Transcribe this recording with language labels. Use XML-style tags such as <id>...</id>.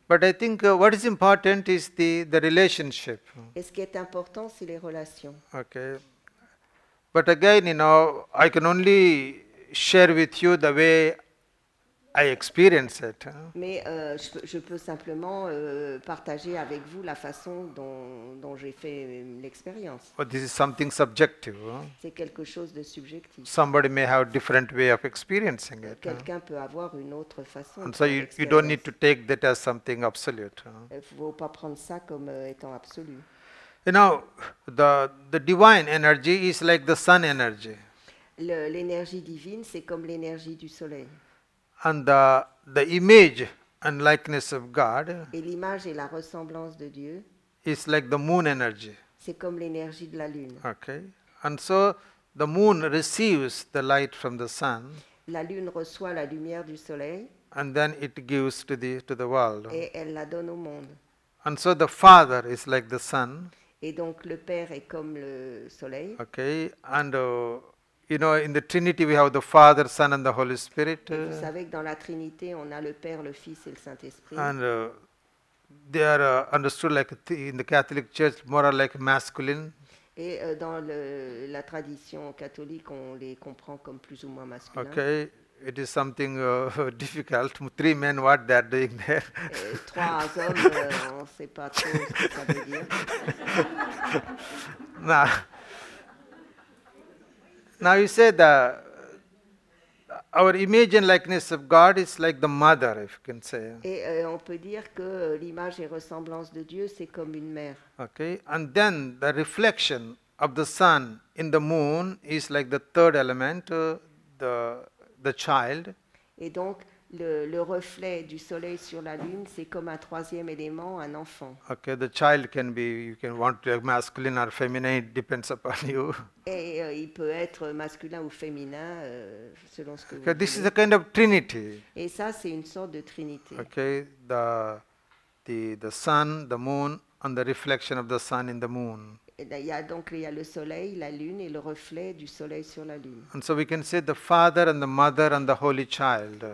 <en>But I think what is important is the relationship.</en> <fr>Et ce qui est important, c'est les relations.</fr> <en>Okay. But again, you know, I can only share with you the way I experience it.</en> <fr>Mais je peux simplement partager avec vous la façon dont j'ai fait l'expérience.</fr> <en>But this is something subjective.</en> <fr>C'est quelque chose de subjectif.</fr> <en>Somebody may have different way of experiencing it.</en> <fr>Quelqu'un peut avoir une autre façon.</fr> <en>And so you don't need to take that as something absolute.</en> <fr>Il ne faut pas prendre ça comme étant absolu.</fr> <en>You know, the divine energy is like the sun energy.</en> <fr>L'énergie divine, c'est comme l'énergie du soleil.</fr> <en>And the image and likeness of God.</en> <fr>Et l'image et la ressemblance de Dieu.</fr> <en>Is like the moon energy.</en> <fr>C'est comme l'énergie de la lune.</fr> <en>Okay. And so the moon receives the light from the sun.</en> <fr>La lune reçoit la lumière du soleil.</fr> <en>And then it gives to the world.</en> <fr>Et elle la donne au monde.</fr> <en>And so the father is like the sun.</en> <fr>Et donc le père est comme le soleil.</fr> <en>Okay. And you know, in the Trinity, we have the Father, Son, and the Holy Spirit.</en> <fr>Et vous savez que dans la Trinité, on a le Père, le Fils et le Saint-Esprit.</fr> <en>And they are understood like in the Catholic Church, more like masculine.</en> <fr>Et dans la tradition catholique, on les comprend comme plus ou moins masculins.</fr> <en>Okay, it is something difficult. Three men, what they are doing there?</en> <fr>Trois hommes, on ne sait pas trop ce que ça veut dire. Nah.</fr> <en>Now you say that our image and likeness of God is like the mother, if you can say.</en> <fr>Et on peut dire que l'image et ressemblance de Dieu, c'est comme une mère.</fr> <en>Okay, and then the reflection of the sun in the moon is like the third element, the child.</en> <fr>Et donc le reflet du soleil sur la lune, c'est comme un troisième élément, un enfant.</fr> <en>Okay, the child can be, you can want to be masculine or feminine, it depends upon you.</en> <fr>Et il peut être masculin ou féminin, selon ce que</fr> <en>okay, this</en> <fr>voulez.</fr> <en>Is a kind of trinity.</en> <fr>Et ça, c'est une sorte de trinité.</fr> <en>Okay, the sun, the moon, and the reflection of the sun in the moon.</en> <fr>Il y a le soleil, la lune et le reflet du soleil sur la lune.</fr> <en>And so we can say the father and the mother and the holy child.</en>